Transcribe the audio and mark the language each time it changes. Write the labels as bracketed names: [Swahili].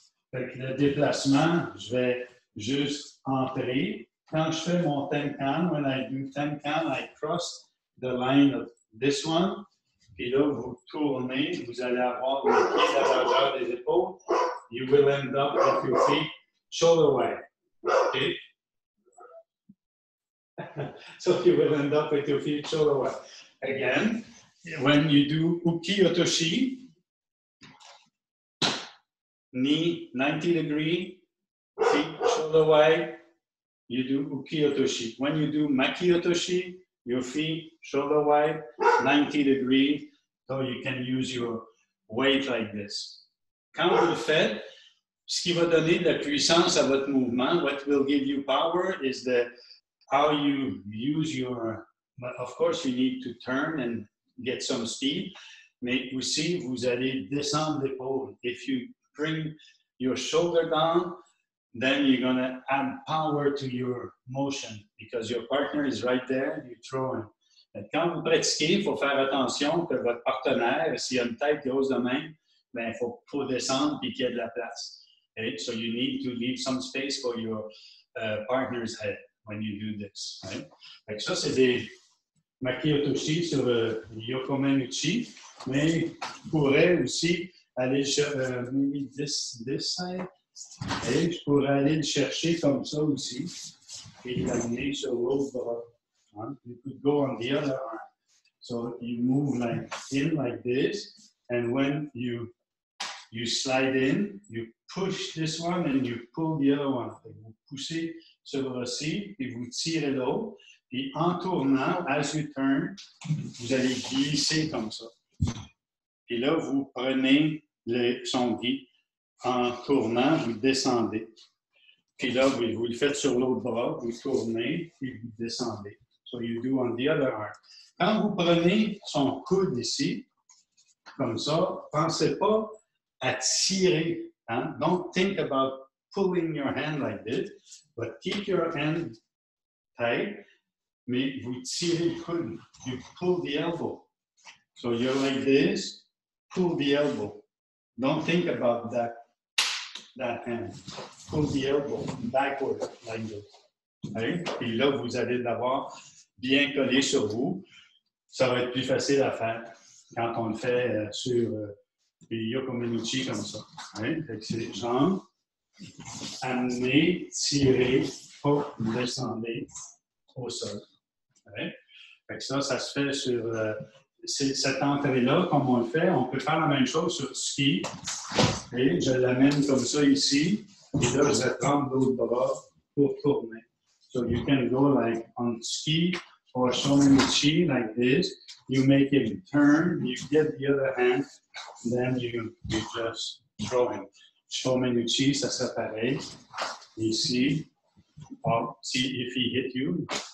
[French] Fait que le déplacement, je vais juste entrer. Quand je fais mon tenkan, [English] when I do tenkan, I cross the line of this one. [French] Puis là, vous tournez, vous allez avoir le pied à la largeur des épaules. [English] You will end up with your feet shoulder wide. Okay? So you will end up with your feet shoulder wide. Again, when you do uki otoshi, knee 90 degrees, feet shoulder wide, you do uki otoshi. When you do maki otoshi, your feet shoulder wide, 90 degrees, so you can use your weight like this. [French] Quand vous le faites, ce qui va donner de la puissance à votre mouvement, [English] what will give you power is the how you use your, but of course you need to turn and get some speed, [French] mais aussi vous allez descendre l'épaule. [English] If you bring your shoulder down, then you're going to add power to your motion because your partner is right there, you're throwing. [French] Mais quand vous pratiquez, il faut faire attention que votre partenaire, s'il a une tête grosse de main, ben, il faut descendre et qu'il y ait de la place. [English] Okay? So you need to leave some space for your partner's head when you do this. Right? [French] Ça, c'est des makiotoshi sur Yokomenuchi, mais je pourrais aussi aller je pourrais aller le chercher comme ça aussi et l'amener sur l'autre bras. [English] You could go on the other arm. So you move like in like this, and when you slide in, you push this one and you pull the other one. [French] Et vous poussez ce bras-ci et vous tirez l'autre. Et en tournant, [English] as you turn, [French] vous allez glisser comme ça. Et là, vous prenez son guide. En tournant, vous descendez. Et là, vous le faites sur l'autre bras, vous tournez et vous descendez. [English] So you do on the other arm. [French] Quand vous prenez son coude ici, comme ça, pensez pas à tirer. Hein? [English] Don't think about pulling your hand like this, but keep your hand tight, [French] mais vous tirez le coude. [English] You pull the elbow. So you're like this, pull the elbow. Don't think about that hand. Pull the elbow backward like this. Okay? [French] Puis là, vous allez l'avoir bien collé sur vous, ça va être plus facile à faire quand on le fait sur les Yokomenuchi comme ça. Hein? Fait que c'est jambes, amener, tirer, pour descendre au sol. Hein? Fait que ça se fait sur cette entrée-là, comme on le fait. On peut faire la même chose sur ski. Et je l'amène comme ça ici, et là, je prends l'autre bras pour tourner. [English] So you can go like on ski or shomenuchi like this. You make him turn, you get the other hand, then you just throw him. Shomenuchi, [French] ça c'est pareil. Ici, [English] I'll see if he hit you.